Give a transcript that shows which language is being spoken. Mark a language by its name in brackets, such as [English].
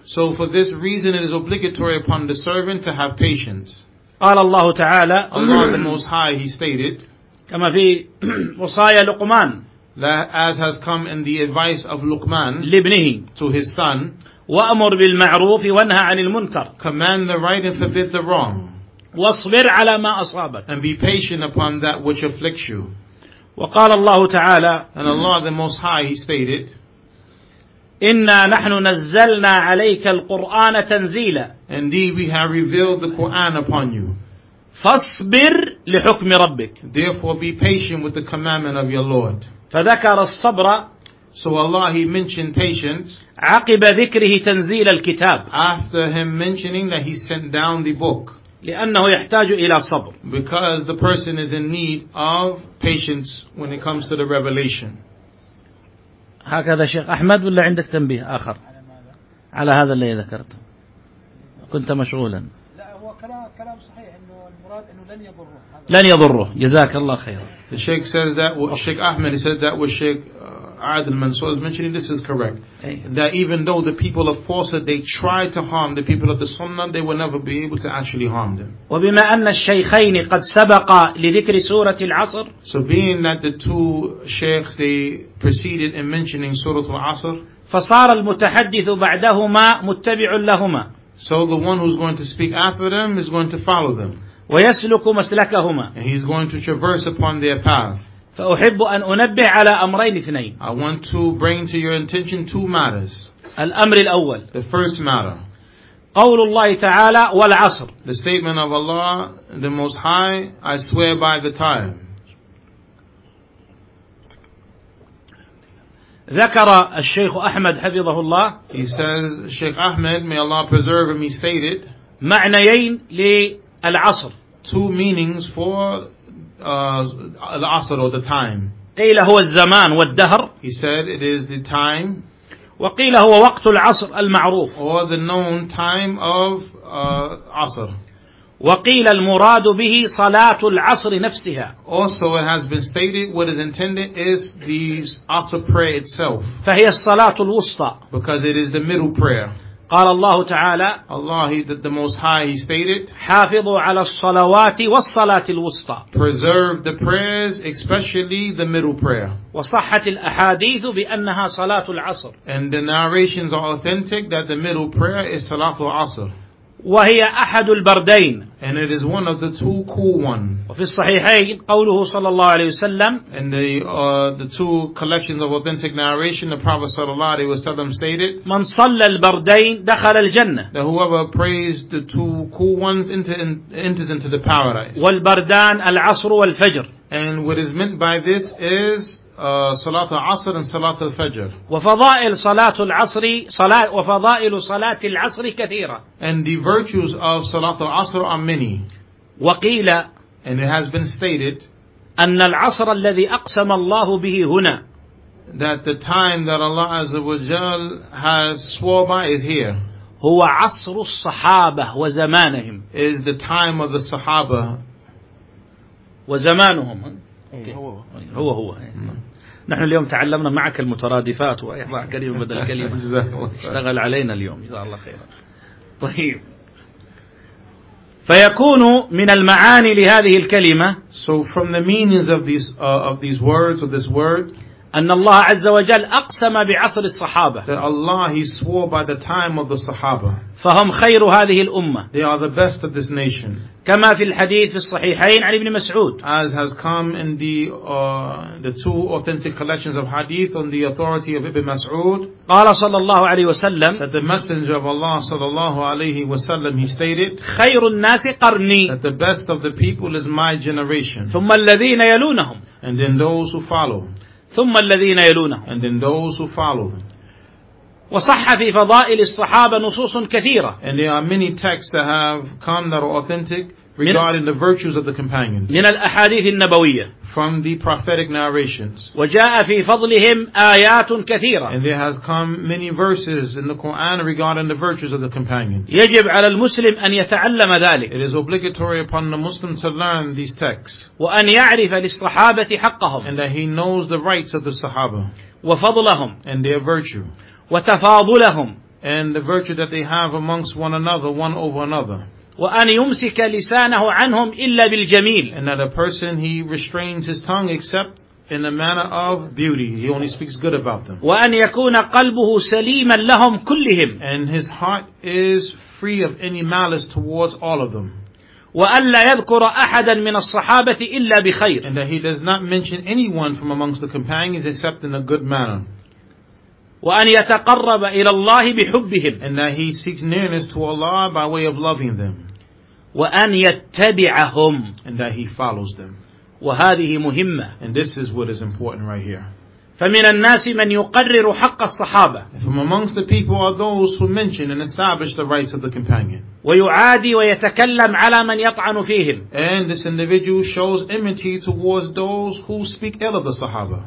[English] So for this reason it is obligatory upon the servant to have patience. [Arabic] قال الله تعالى. [English] Allah the Most High he stated. [Arabic] كما في وصايا لقمان. [English] That as has come in the advice of Luqman [Arabic] لابنه. [English] To his son. [Arabic] وأمر بالمعروف وانهى عن المنكر. [English] Command the right and forbid the wrong. [Arabic] واصبر على ما أصابك. [English] And be patient upon that which afflicts you. [Arabic] وقال الله تعالى. [English] And Allah the Most High he stated. [Arabic] إنا نحن نزلنا عليك القرآن تنزيلا. [English] Indeed we have revealed the Quran upon you. [Arabic] فاصبر لحكم ربك. [English] Therefore be patient with the commandment of your Lord. [Arabic] فذكر الصبر. [English] So Allah he mentioned patience. [Arabic] عقب ذكره تنزيل الكتاب. [English] After him mentioning that he sent down the book. [Arabic] لأنه يحتاج إلى صبر. [English] Because the person is in need of patience when it comes to the revelation. [Arabic] هكذا شيخ أحمد ولا عندك تنبيه آخر؟ على هذا اللي ذكرته. كنت مشغولا. كلام صحيح إنه المراد إنه لن يضره. لن يضره. جزاك الله خير. [English] The Sheikh says that. Sheikh Ahmed said that with Sheikh Adil Mansour is mentioning this is correct. That even though the people of falsehood they try to harm the people of the Sunnah, they will never be able to actually harm them. [Arabic] وبما أن الشيخين قد سبق لذكر سورة العصر. [English] So being that the two sheikhs they preceded in mentioning Surah Al-Asr. [Arabic] فصار المتحدث بعدهما متبع لهما. [English] So the one who's going to speak after them is going to follow them. [Arabic] ويسلك مسلكهما. [English] And he's going to traverse upon their path. [Arabic] فأحب أن أنبه على أمرين اثنين. [English] I want to bring to your attention two matters. [Arabic] الأمر الأول. [English] The first matter. [Arabic] قول الله تعالى والعصر. [English] The statement of Allah, the Most High, I swear by the time. [Arabic] ذكر الشيخ أحمد حفظه الله. [English] He says, Sheikh Ahmed, may Allah preserve him, he stated. [Arabic] معنيين للعصر. [English] Two meanings for العصر or the time. [Arabic] قيل هو الزمان والدهر. [English] He said, it is the time. [Arabic] وقيل هو وقت العصر المعروف. [English] Or the known time of عصر. [Arabic] وقيل المراد به صلاة العصر نفسها. [English] Also it has been stated what is intended is the عصر prayer itself. [Arabic] فهي الصلاة الوسطى. [English] Because it is the middle prayer. [Arabic] قال الله تعالى [English] الله the most high he stated [Arabic] حافظوا على الصلوات والصلاة الوسطى [English] preserve the prayers especially the middle prayer [Arabic] وصحت الأحاديث بأنها صلاة العصر [English] and the narrations are authentic that the middle prayer is صلاة العصر [Arabic] وهي أحد البردين [English] and it is one of the two cool ones [Arabic] وفي الصحيحين قوله صلى الله عليه وسلم [English] and the two collections of authentic narration the Prophet [Arabic] صلى الله عليه وسلم [English] stated [Arabic] من صلى البردين دخل الجنة [English] that whoever prays the two cool ones enters into the paradise [Arabic] والبردان العصر والفجر [English] and what is meant by this is صلاة العصر and صلاة الفجر [Arabic] وفضائل صلاة العصر صلاة وفضائل صلاة العصر كثيرة [English] and the virtues of صلاة العصر are many [Arabic] وقيل [English] and it has been stated [Arabic] أن العصر الذي أقسم الله به هنا [English] that the time that Allah [Arabic] عز وجل [English] has swore by is here [Arabic] هو عصر الصحابة وزمانهم [English] is the time of the صحابة [Arabic] وزمانهم [English] Okay. [Arabic] هو نحن اليوم تعلمنا معك المترادفات وإحضاء كلمة بدل كلمة اشتغل علينا اليوم إن شاء الله خير طيب فيكون من المعاني لهذه الكلمة [English] So from the meanings of these words or this word [Arabic] أن الله عز وجل أقسم بعصر الصحابة [English] that Allah he swore by the time of the Sahaba [Arabic] فهم خير هذه الأمة [English] they are the best of this nation [Arabic] كما في الحديث في الصحيحين عن ابن مسعود [English] as has come in the two authentic collections of hadith on the authority of Ibn Mas'ud [Arabic] قال صلى الله عليه وسلم [English] that the messenger of Allah [Arabic] صلى الله عليه وسلم [English] he stated [Arabic] خير الناس قرني [English] that the best of the people is my generation [Arabic] ثم الذين يلونهم [English] and then those who follow [Arabic] ثم الذين يلونهم [English] and then those who follow [Arabic] وصح في فضائل الصحابة نصوص كثيرة [English] and there are many texts that have come that are authentic regarding the virtues of the companions [Arabic] من الأحاديث النبوية [English] from the prophetic narrations [Arabic] وجاء في فضلهم آيات كثيرة [English] and there has come many verses in the Quran regarding the virtues of the companions [Arabic] يجب على المسلم أن يتعلم ذلك [English] it is obligatory upon the Muslim to learn these texts [Arabic] وأن يعرف للصحابة حقهم [English] and that he knows the rights of the Sahaba [Arabic] وفضلهم [English] and their virtue [Arabic] وتفاضلهم [English] and the virtue that they have amongst one another one over another [Arabic] وأن يمسك لسانه عنهم إلا بالجميل [English] and that a person he restrains his tongue except in the manner of beauty he only speaks good about them [Arabic] وأن يكون قلبه سليما لهم كلهم [English] and his heart is free of any malice towards all of them [Arabic] وأن لا يذكر أحدا من الصحابة إلا بخير [English] and that he does not mention anyone from amongst the companions except in a good manner [Arabic] وأن يتقرب إلى الله بحبهم [English] and that he seeks nearness to Allah by way of loving them [Arabic] وأن يتبعهم [English] and that he follows them [Arabic] وهذه مهمة [English] and this is what is important right here [Arabic] فمن الناس من يقرر حق الصحابة [English] from amongst the people are those who mention and establish the rights of the companion [Arabic] ويعادي ويتكلم على من يطعن فيهم [English] and this individual shows enmity towards those who speak ill of the Sahaba